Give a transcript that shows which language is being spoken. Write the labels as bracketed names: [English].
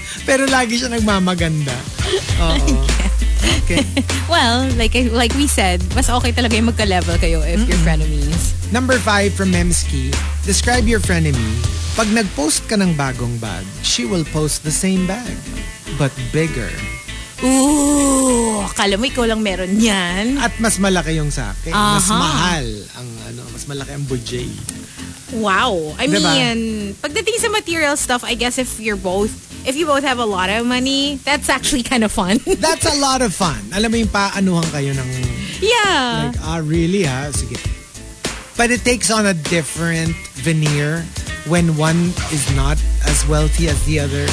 [Filipino] Pero lagi siya nagmamaganda. Oo. Okay. [English] Well, like we said, mas okay talaga yung magka-level kayo if you're frenemies. Number 5 from Memski. Describe your frenemy. Pag nag-post ka ng bagong bag, she will post the same bag, but bigger. [Filipino] Ooh, akala mo ikaw lang meron yan. At mas malaki yung sa akin. Uh-huh. Mas mahal ang ano, mas malaki ang budget. Wow. [English] I mean, pagdating sa material stuff, I guess if you both have a lot of money, that's actually kind of fun. [Filipino] That's a lot of fun. Alam mo yung paanuhan kayo ng... [English] Yeah. Like, really ha? Sige. But it takes on a different veneer when one is not as wealthy as the other.